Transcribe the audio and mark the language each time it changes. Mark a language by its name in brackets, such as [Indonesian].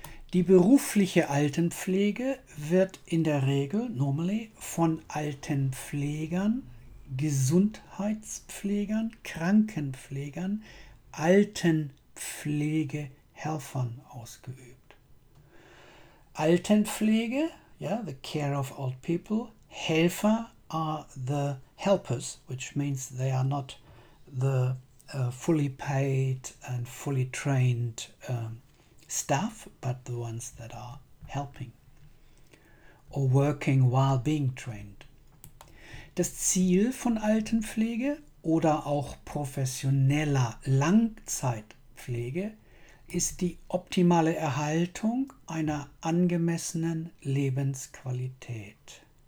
[German] Die berufliche Altenpflege wird in der Regel, [English] normally, [German] von Altenpflegern, Gesundheitspflegern, Krankenpflegern, Altenpflegehelfern ausgeübt. [English] Altenpflege, yeah, the care of old people, Helfer are the helpers, which means they are not the fully paid and fully trained staff, but the ones that are helping or working while being trained. [German] Das Ziel von Altenpflege oder auch professioneller Langzeitpflege ist die optimale Erhaltung einer angemessenen Lebensqualität.